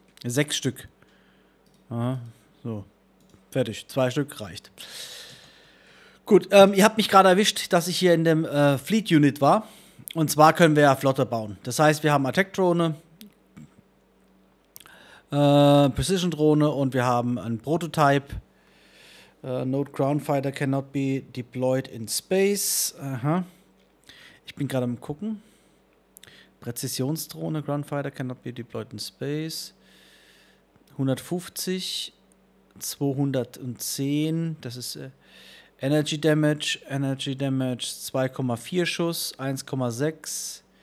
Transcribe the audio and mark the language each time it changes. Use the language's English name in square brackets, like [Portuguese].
[German] 6 Stück. Aha, so. Fertig. 2 Stück reicht. Gut, ihr habt mich gerade erwischt, dass ich hier in dem Fleet Unit war. Und zwar können wir ja Flotte bauen. Das heißt, wir haben Attack-Drohne, Precision-Drohne und wir haben einen Prototype. [English] Note Ground Fighter cannot be deployed in space. Aha. [German] Ich bin gerade am Gucken. [English] Präzisionsdrohne, Ground Fighter cannot be deployed in space. [German] 150, 210, das ist Energy Damage. Energy Damage 2,4 Schuss, 1,6.